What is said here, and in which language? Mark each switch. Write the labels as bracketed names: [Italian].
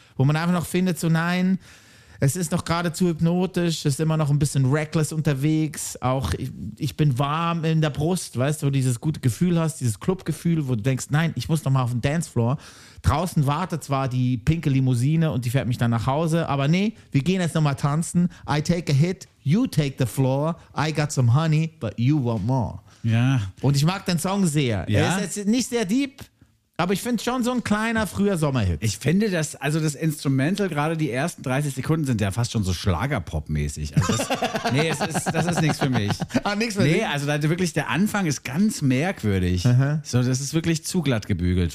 [German] Wo man einfach noch findet, so nein, es ist noch geradezu hypnotisch, es ist immer noch ein bisschen reckless unterwegs. Auch ich bin warm in der Brust, weißt du, wo du dieses gute Gefühl hast, dieses Clubgefühl, wo du denkst, nein, ich muss noch mal auf den Dancefloor. Draußen wartet zwar die pinke Limousine und die fährt mich dann nach Hause, aber nee, wir gehen jetzt nochmal tanzen. [English] I take a hit, you take the floor, I got some honey, but you want more. [German] Ja. Und ich mag den Song sehr. Ja? Er ist jetzt nicht sehr deep, aber ich finde schon so ein kleiner früher Sommerhit. Ich finde das, also das Instrumental, gerade die ersten 30 Sekunden sind ja fast schon so Schlagerpop-mäßig. Also das, nee, das ist nichts für mich. Ah, nichts für mich? Nee, also da, wirklich der Anfang ist ganz merkwürdig. So, das ist wirklich zu glatt gebügelt.